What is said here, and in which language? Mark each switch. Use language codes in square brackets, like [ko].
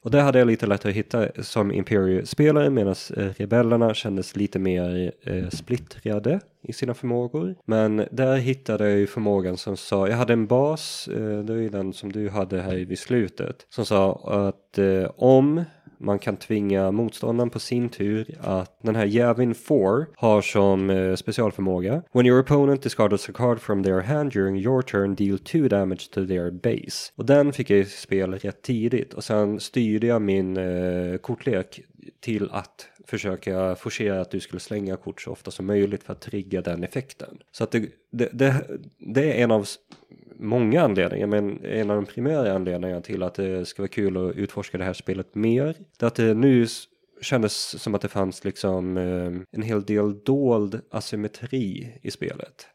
[sv] Och det hade jag lite lättare att hitta som Imperiet-spelare, medan Rebellerna kändes lite mer splittrade i sina förmågor. Men där hittade jag ju förmågan som sa, jag hade en bas, det är den som du hade här vid slutet, som sa att om man kan tvinga motståndaren på sin tur att den här Yavin 4 har som specialförmåga. [en] When your opponent discards a card from their hand during your turn, deal 2 damage to their base. [sv] Och den fick jag i spel rätt tidigt. Och sen styrde jag min kortlek till att försöka forcera att du skulle slänga kort så ofta som möjligt för att trigga den effekten. Så att det är en av många anledningar, men en av de primära anledningarna till att det ska vara kul att utforska det här spelet mer, det att det nu kändes som att det fanns liksom en hel del dold asymmetri i spelet.